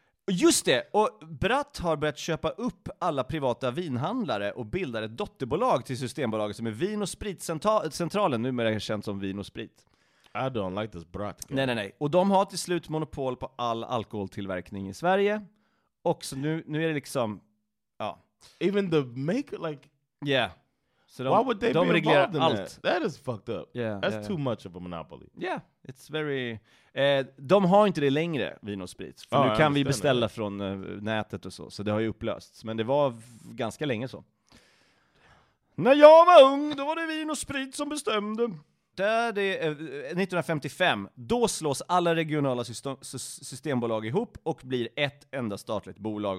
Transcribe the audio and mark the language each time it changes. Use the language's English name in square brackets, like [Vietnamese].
[Swedish] Just det, och Bratt har börjat köpa upp alla privata vinhandlare och bildar ett dotterbolag till Systembolaget som är Vin- och Spritcentralen, numera känt som Vin- och Sprit. [English] I don't like this Bratt. [Swedish] Nej. Och de har till slut monopol på all alkoholtillverkning i Sverige. också nu är det liksom ja. [English] Even the maker like yeah. So why would they be involved in allt. That? That is fucked up. Yeah, that's too much of a monopoly. Yeah, it's very... [Swedish] De har inte det längre, Vin & Sprit. För nu kan vi beställa från nätet och så. Så det har ju upplösts. Men det var ganska länge så. När jag var ung, då var det Vin & Sprit som bestämde. Där det 1955, då slås alla regionala systembolag ihop och blir ett enda statligt bolag.